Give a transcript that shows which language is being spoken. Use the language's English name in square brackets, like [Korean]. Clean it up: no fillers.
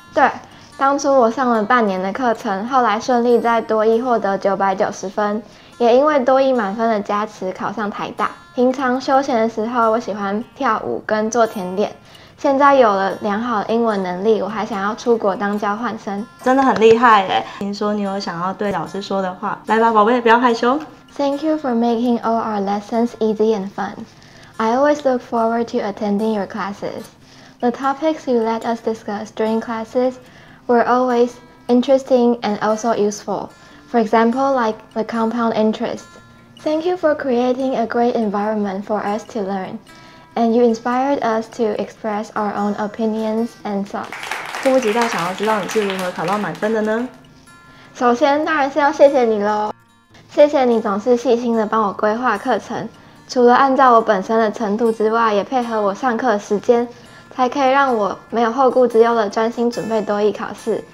[Chinese] 对，当初我上了半年的课程，后来顺利在多益获得990分，也因为多益满分的加持考上台大。平常休闲的时候，我喜欢跳舞跟做甜点。现在有了良好的英文能力，我还想要出国当交换生，真的很厉害耶！听说你有想要对老师说的话，来吧，宝贝，不要害羞。 [English] Thank you for making all our lessons easy and fun. I always look forward to attending your classes. The topics you let us discuss during classes were always interesting and also useful. For example, like the compound interest. Thank you for creating a great environment for us to learn. And you inspired us to express our own opinions and thoughts. [Chinese] 迫不及待想要知道你是如何考到满分的呢？首先，当然是要谢谢你咯。谢谢你总是细心的帮我规划课程，除了按照我本身的程度之外，也配合我上课时间，才可以让我没有后顾之忧的专心准备多益考试。